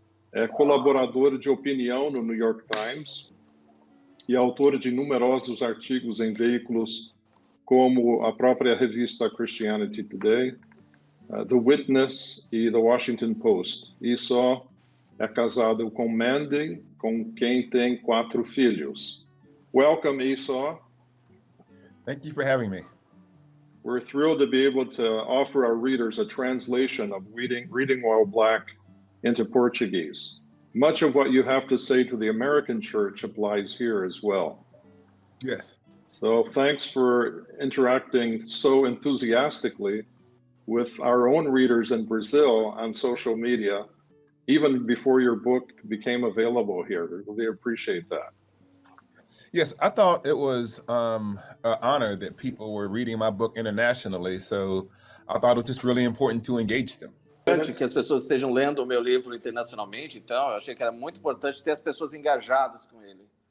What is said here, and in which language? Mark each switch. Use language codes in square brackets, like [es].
[pt] É colaborador de opinião no New York Times e autor de numerosos artigos em veículos como a própria revista Christianity Today, The Witness e The Washington Post. Isao é casado com Mandy, com quem tem 4 filhos. [en] Welcome, Isao. Thank you for having me. We're thrilled to be able to offer our readers a translation of Reading While Black into Portuguese. Much of what you have to say to the American church applies here as well. Yes. So thanks for interacting so enthusiastically with our own readers in Brazil on social media, even before your book became available here. Really appreciate that. Yes, I thought it was an honor that people were reading my book internationally. So I thought it was just really important to engage them. [pt] Que as pessoas estejam lendo o meu livro internacionalmente, então eu achei que era muito importante ter as pessoas engajadas com ele.